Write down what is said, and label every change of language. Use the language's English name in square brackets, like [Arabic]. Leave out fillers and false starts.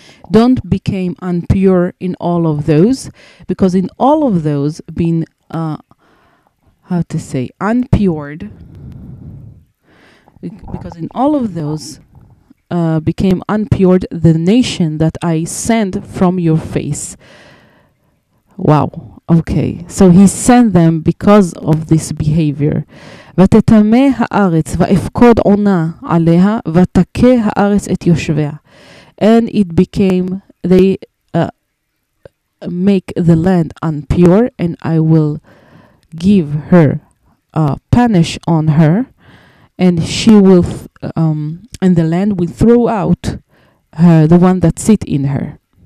[English] Don't become impure in all of those, because in all of those been, how to say, unpured, because in all of those became unpured the nation that I sent from your face. Wow. Okay. So he sent them because of this behavior. [Hebrew] ותטמא הארץ ואפקוד עונה עליה ותקה הארץ את יושביה. [English] And it became, they make the land unpure, and I will give her punish on her. And she will, and the land will throw out her, the one that sit in her.